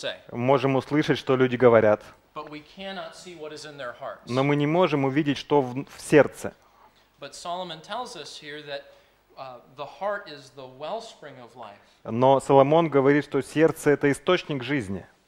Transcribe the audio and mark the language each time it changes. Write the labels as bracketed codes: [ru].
[ru] Можем услышать, что люди говорят. Но мы не можем увидеть, что в сердце. [en] But Solomon tells us here that the heart is the wellspring of life. [ru] Но Соломон говорит, что сердце — это источник жизни.